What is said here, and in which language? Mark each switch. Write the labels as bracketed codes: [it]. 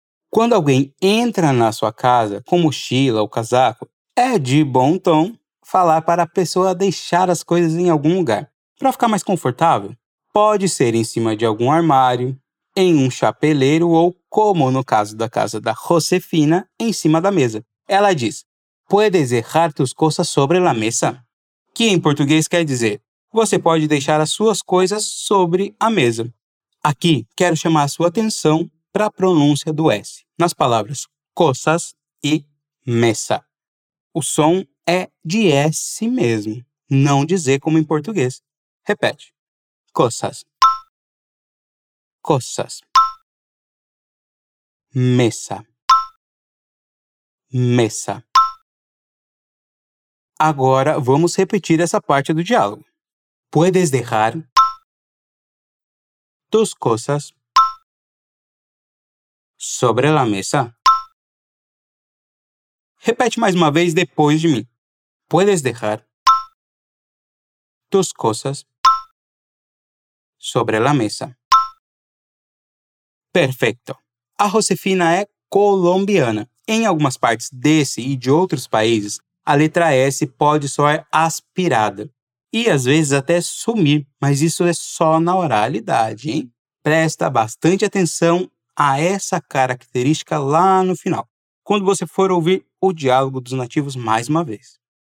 [pt] Quando alguém entra na sua casa com mochila ou casaco, é de bom tom falar para a pessoa deixar as coisas em algum lugar. Para ficar mais confortável, pode ser em cima de algum armário, em um chapeleiro ou, como no caso da casa da Josefina, em cima da mesa. Ela diz, [es] puedes dejar tus cosas sobre la mesa? [pt] Que em português quer dizer, você pode deixar as suas coisas sobre a mesa. Aqui, quero chamar a sua atenção para a pronúncia do S, nas palavras cosas e mesa. O som é de S mesmo, não de Z como em português. Repete. [es] Cosas. Cosas. Mesa. Mesa. [pt] Agora vamos repetir essa parte do diálogo. [es] Puedes dejar tus cosas sobre la mesa. [pt] Repete mais uma vez depois de mim. [es] Puedes dejar tus cosas sobre la mesa. Perfecto. [pt] A Josefina é colombiana. Em algumas partes desse e de outros países, a letra S pode soar aspirada. E às vezes até sumir, mas isso é só na oralidade, hein? Presta bastante atenção a essa característica lá no final, quando você for ouvir o diálogo dos nativos mais uma vez.